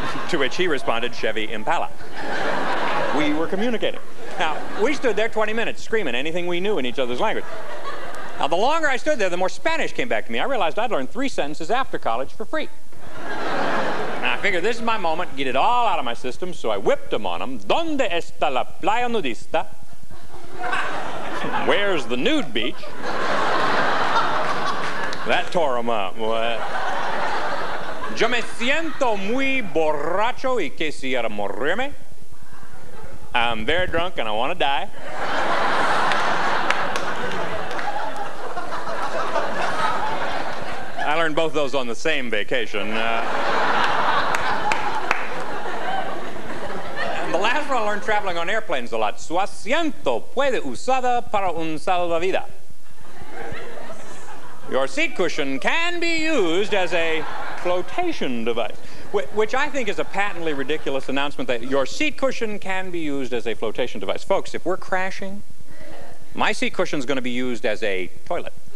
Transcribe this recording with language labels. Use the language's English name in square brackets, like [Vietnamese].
[English] To which he responded, Chevy Impala. We were communicating. Now, we stood there 20 minutes screaming anything we knew in each other's language. Now, the longer I stood there, the more Spanish came back to me. I realized I'd learned 3 sentences after college for free. Now, I figured this is my moment, get it all out of my system, so I whipped them on them. [Spanish] ¿Dónde está la playa nudista? [English] Where's the nude beach? That tore him up. What? [Spanish] Yo me siento muy borracho y quisiera morirme. [English] I'm very drunk and I want to die. I learned both those on the same vacation. And the last one I learned traveling on airplanes a lot. [Spanish] Su asiento puede usada para un salvavidas. [English] Your seat cushion can be used as a flotation device, which I think is a patently ridiculous announcement that your seat cushion can be used as a flotation device. Folks, if we're crashing, my seat cushion's going to be used as a toilet.